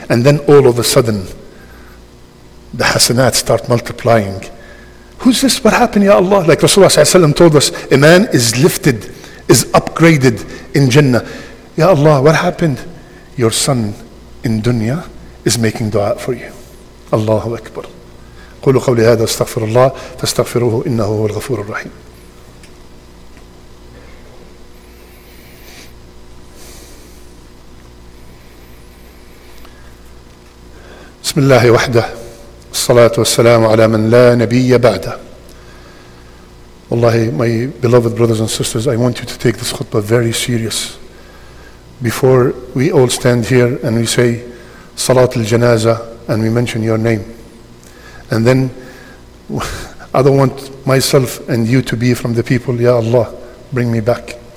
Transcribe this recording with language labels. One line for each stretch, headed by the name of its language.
English: And then all of a sudden, the hasanat start multiplying. Who's this? What happened, ya Allah? Like Rasulullah sallallahu alayhi wa sallam told us, a man is lifted, is upgraded in Jannah. Ya Allah, what happened? Your son in dunya is making dua for you. Allahu Akbar.
Arabic: قولوا قولي هذا استغفر الله فاستغفروه إنه هو الغفور الرحيم. بسم الله وحده الصلاة والسلام على من لا نبي بعده.
English: والله, my beloved brothers and sisters, I want you to take this khutbah very serious. Before we all stand here and we say صلاة الجنازة and we mention your name, and then I don't want myself and you to be from the people, ya Allah, bring me back.